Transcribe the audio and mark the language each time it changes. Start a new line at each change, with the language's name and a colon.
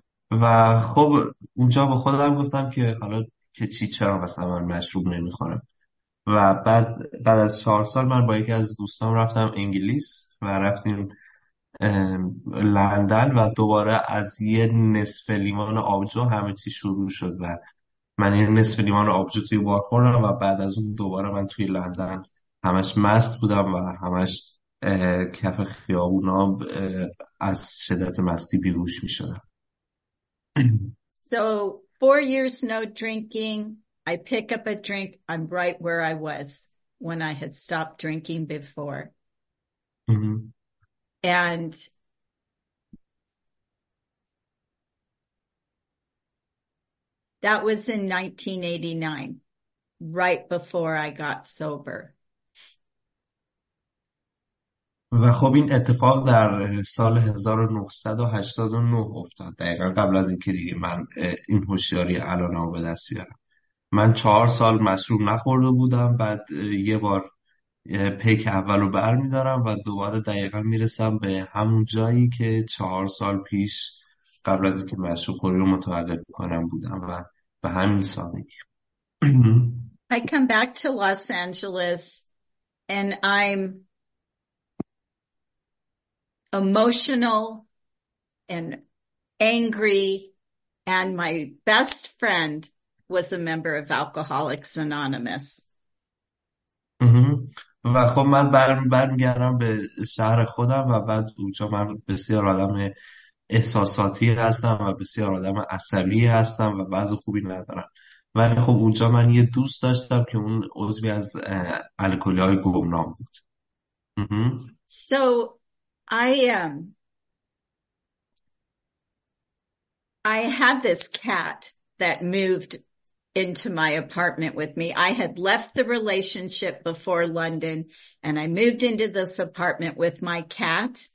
Persian: و خب اونجا با خودم گفتم که حالا که چی، چرا مثلا من مشروب نمیخورم و بعد از 4 سال من با یکی از دوستام رفتم انگلیس و رفتیم لندن و دوباره از یه نصف لیوان آبجو همه چی شروع شد و من یه نصف لیوان آبجو توی بار خوردم و بعد از اون دوباره من توی لندن همش مست بودم و همش کف خیابونا از شدت مستی بیهوش میشدم.
English: So 4 years no drinking, I pick up a drink, I'm right where I was when I had stopped drinking before. And that was in 1989, right before I got sober.
Persian: و خب این اتفاق در سال 1989 افتاد، دقیقا قبل از اینکه دیگه من این هوشیاری الان رو به دست بیارم. من 4 سال مشروب نخورده بودم، بعد یه بار پیک اول رو بر میدارم و دوباره دقیقا میرسم به همون جایی که 4 سال پیش قبل از اینکه مشروب خوری رو متوقف کنم بودم و به همین سادگی.
English: I come back to Los Angeles and I'm emotional and angry, and my best friend was a member of Alcoholics Anonymous.
Persian: و خب من برمیگردم به شهر خودم و بعد اونجا من بسیار آدم احساساتی هستم و بسیار آدم عصبی هستم و وضع خوبی ندارم. ولی خب اونجا من یه دوست داشتم که اون عضوی از الکلی های گمنام بود.
English: So I had this cat that moved into my apartment with me. I had left the relationship before London and I moved into this apartment with my cat.